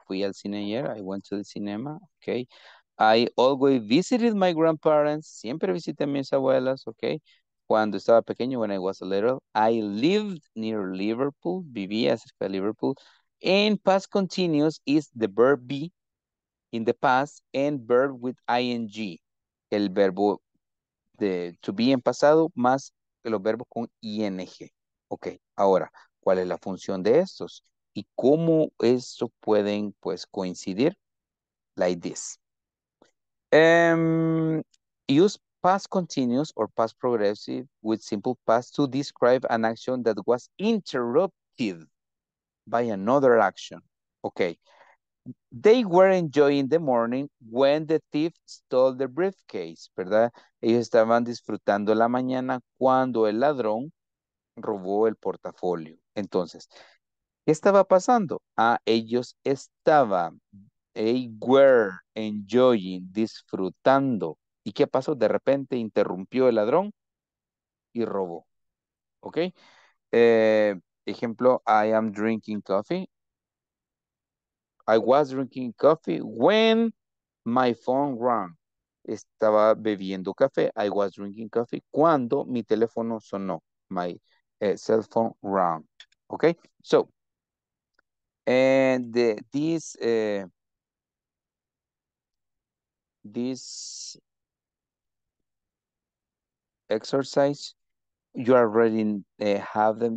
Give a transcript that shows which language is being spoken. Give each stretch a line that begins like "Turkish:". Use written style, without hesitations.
Spanish: Fui al cine ayer.
English: I went to the cinema. Okay. I always visited my grandparents.
Spanish: Siempre visité a mis abuelas. Okay. Cuando estaba pequeño,
English: when I was little, I lived near Liverpool,
Spanish: vivía cerca de Liverpool.
English: And past continuous is the verb be in the past and verb with ing.
Spanish: El verbo to be en pasado más los verbos con ing. Ok, ahora, ¿cuál es la función de estos? ¿Y cómo estos pueden, pues, coincidir?
English: Like this. Use past continuous or past progressive with simple past to describe an action that was interrupted by another action. Okay. They were enjoying the morning when the thief stole the briefcase,
Spanish: ¿verdad? Ellos estaban disfrutando la mañana cuando el ladrón robó el portafolio. Entonces, ¿qué estaba pasando? Ah, ellos estaban,
English: they were enjoying,
Spanish: disfrutando. ¿Y qué pasó? De repente interrumpió el ladrón y robó. ¿Ok? Ejemplo,
English: I am drinking coffee. I was drinking coffee when my phone rang.
Spanish: Estaba bebiendo café.
English: I was drinking coffee
Spanish: cuando mi teléfono sonó.
English: My cell phone rang. ¿Ok? So, and this exercise, you already have them.